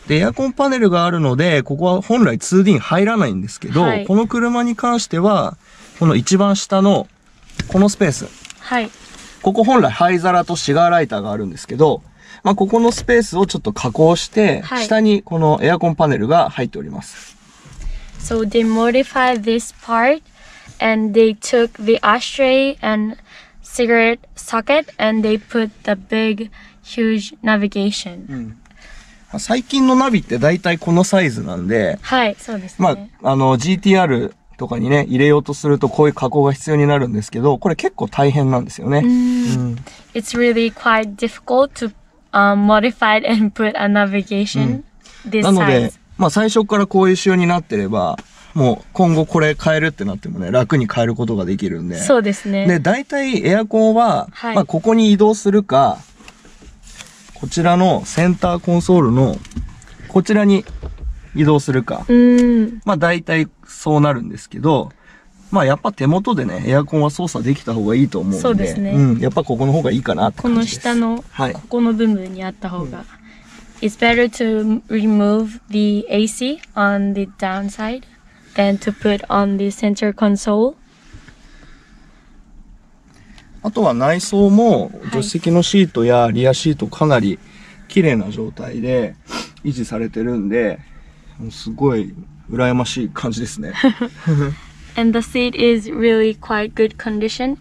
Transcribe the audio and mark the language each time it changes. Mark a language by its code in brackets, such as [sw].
[ja] でエアコンパネルがあるのでここは本来 2D に入らないんですけど、はい、この車に関してはこの一番下のこのスペース、はい、ここ本来灰皿とシガーライターがあるんですけど、まあ、ここのスペースをちょっと加工して、はい、下にこのエアコンパネルが入っております。 [en] So they modify this partAnd they took the ashtray and cigarette socket and they put the big, huge navigation.、 [ja] うん、最近のナビって大体このサイズなんで、はい、そうですね。まあ、GTR とかにね入れようとするとこういう加工が必要になるんですけど、これ結構大変なんですよね。 [en] It's really quite difficult to modify and put a navigation this size. [ja] なので、まあ最初からこういう仕様になってれば、もう今後これ変えるってなってもね楽に変えることができるんで。そうですね。で大体エアコンは、はい、まあここに移動するか、こちらのセンターコンソールのこちらに移動するか、まあ大体そうなるんですけど、まあやっぱ手元でねエアコンは操作できた方がいいと思うんで、そうですね、うん、やっぱここの方がいいかなって感じです。この下のここの部分にあった方が、はい、 [en] It's better to remove the AC on the downside than to put on the center console。 [ja] あとは内装も助手席のシートやリアシートかなり綺麗な状態で維持されてるんで、すごい羨ましい感じですね。 [en] And the seat is really quite good condition.